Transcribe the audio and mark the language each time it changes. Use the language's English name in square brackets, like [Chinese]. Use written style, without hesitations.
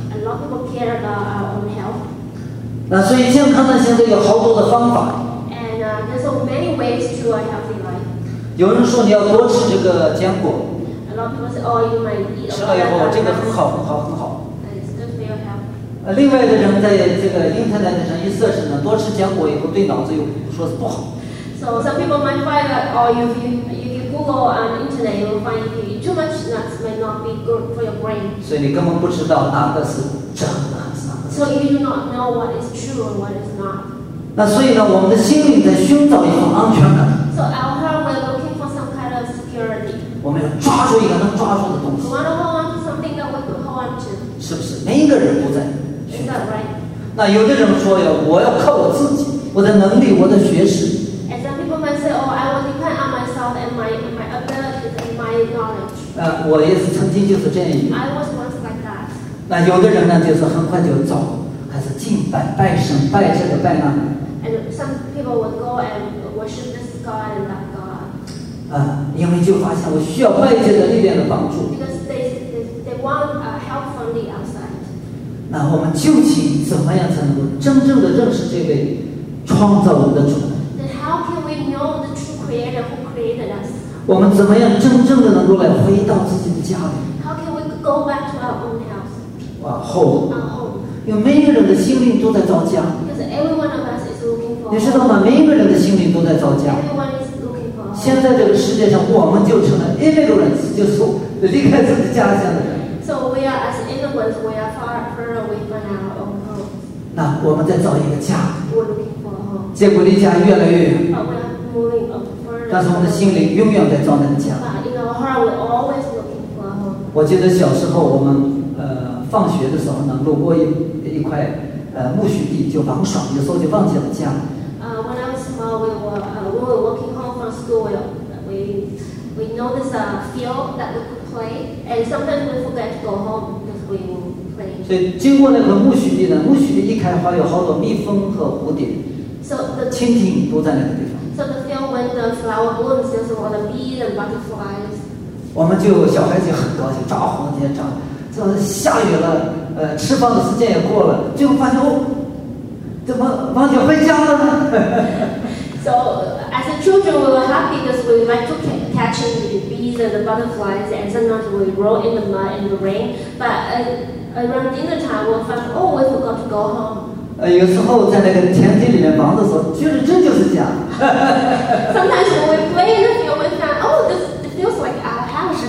[English] A lot of people care about our own health. [Chinese] 那所以健康的现在有好多的方法。 [English] And there's so many ways to a healthy life. [Chinese] 有人说你要多吃这个坚果。 [English] A lot of people say, oh, you might eat. [Chinese] 吃了以后，这个很好，很好，很好。 [English] And it's good for your health. [Chinese] 另外的人在这个 internet 上一测试呢，多吃坚果以后对脑子有说是不好。 [English] So some people might find that, oh, if you Google on the internet, you will find if you eat too much nuts, it might not be good for your brain. [Chinese] 所以你根本不知道哪个是真的。 [English] So you do not know what is true and what is not. [Chinese] 那所以呢，我们的心灵在寻找一种安全感。 [English] So our heart we're looking for some kind of security. [Chinese] 我们要抓住一个能抓住的东西。 [English] We want to hold on to something that we can hold on to. [Chinese] 是不是每一个人都在寻找 [English] ？Is that right? [Chinese] 那有的人说呀，我要靠我自己，我的能力，我的学识。 [English] And some people might say, oh, I will depend on myself and my abilities and my knowledge. [Chinese] 我也是曾经就是这样。 [English] I was once like that. [Chinese] 那有的人呢，就是很快就走，开始敬拜、拜神、拜这个、拜那。 [English] And some people would go and worship this god and that god. [Chinese] 因为就发现我需要外界的力量的帮助。 [English] Because they want help from the outside. [Chinese] 那我们究竟怎么样才能够真正的认识这位创造我们的主？ [English] Then how can we know the true creator who created us? [Chinese] 我们怎么样真正的能够来回到自己的家里？ [English] How can we go back to our own house? [Chinese] 后，因为每一个人的心灵都在造家。 [English] Because [Chinese] 你知道吗？每一个人的心灵都在造家。现在这个世界上，我们就成了 immigrants， 就是离开自己家乡的人。 [English] So we are as immigrants, we are far away from our own home. [Chinese] 那我们在造一个家。 [English] We're looking for home. [Chinese] 结果离家越来越远。 [English] But we are moving. [Chinese] 但是我们的心灵永远在造那个家。 [English] But in our heart, we're always looking for home. [Chinese] 我记得小时候我们。放学的时候呢，路过一块苜蓿地，就玩耍，有时候就忘记了家。 [English] When I was small, we were walking home from school. We noticed a field that we could play, and sometimes we forget to go home because we were playing. [Chinese] 所以经过那个苜蓿地呢，苜蓿地一开花，有好多蜜蜂和蝴蝶， [English] so、the, [Chinese] 蜻蜓都在那个地方。 [English] So the field when the flower blooms, there's a lot of bees and butterflies. 我们就小孩子很高兴，抓黄金抓。下雨了，吃饭的时间也过了，最后发现哦，怎么忘记回家了呢？So as a children, we were happy because we went to catching the bees and the butterflies, and sometimes we roll in the mud and the rain. But around dinner time, we found oh, we forgot to go home. [Chinese] 有时候在那个田地里面忙的时候，觉得这就是家。 [English] Sometimes when we play in the field, we found oh, this feels like our house.